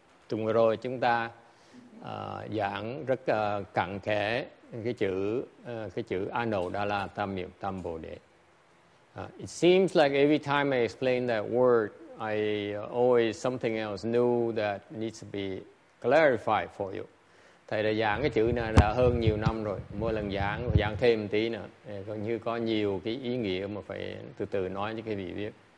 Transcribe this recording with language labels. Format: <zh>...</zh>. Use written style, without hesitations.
<vi>Tuần rồi, chúng ta giảng rất cặn kẽ cái chữ Anuttara Samyak Sambodhi.</vi> <en>It seems like every time I explain that word, I always something else new that needs to be clarified for you.</en> <vi>Thầy đã giảng cái chữ này đã hơn nhiều năm rồi, mỗi lần giảng thêm một tí nữa, coi như có nhiều cái ý nghĩa mà phải từ từ nói cho quý vị biết.</vi>